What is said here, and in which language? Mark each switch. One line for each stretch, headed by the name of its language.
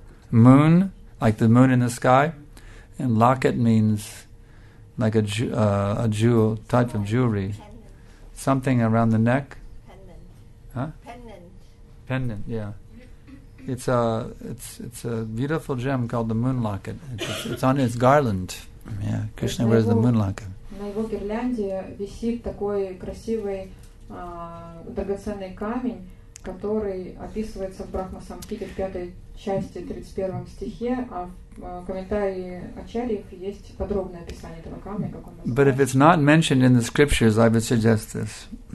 English: Moon, like the moon in the sky, and locket means like a jewel, type of jewelry. Pendant. Something around the neck. Pendant. Huh? Pendant. Pendant, yeah. It's a beautiful gem called the moon locket. It's on his garland. Yeah, Krishna wears the moon locket.
Russian: На его гирлянде висит такой красивый драгоценный камень, который описывается в Брахма Самхите в пятой части 31 стихе, а в комментарии Ачарьев есть подробное описание этого камня, как он называется.
English: But if it's not mentioned in the scriptures, I would suggest this.